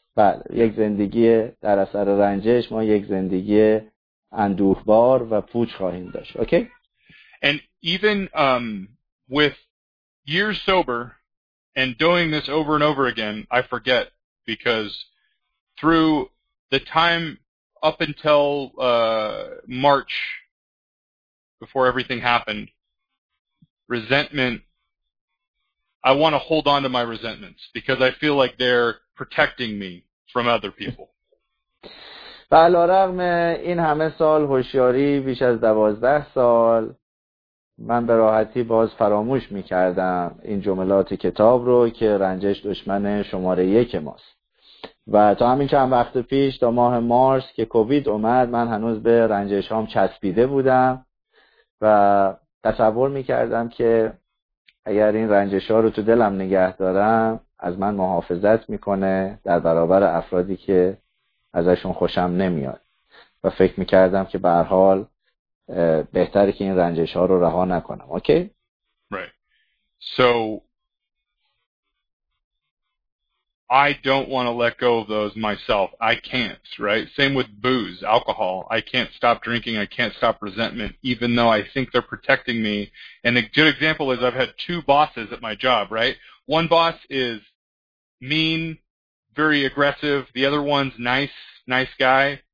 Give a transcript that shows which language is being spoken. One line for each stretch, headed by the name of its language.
Persian: بله، یک زندگی در اثر رنجش ما یک زندگی اندوهبار و پوچ خواهیم داشت.
English: Okay? And even with years sober and doing this over and over again, I forget because through the time up until March before everything happened, resentment, I want to hold on to my resentments because I feel like they're protecting me from other people.
Persian: بالا رغم این همه سال هوشیاری، بیش از 12 سال، من به راحتی باز فراموش می‌کردم این جملات کتاب رو که رنجش دشمن شماره یک ماست. و تا همین چند وقت پیش، تا ماه مارس که کووید اومد، من هنوز به رنجش هام چسبیده بودم و تصور می‌کردم که اگر این رنجش ها رو تو دلم نگه دارم از من محافظت میکنه در برابر افرادی که ازشون خوشم نمیاد و فکر میکردم که به هر حال بهتره که این رنجش ها رو رها نکنم.
English: Okay? Right. So I don't want to let go of those myself. I can't, right? Same with booze, alcohol. I can't stop drinking. I can't stop resentment, even though I think they're protecting me. And a good example is I've had two bosses at my job, right? One boss is mean, very aggressive. The other one's nice guy.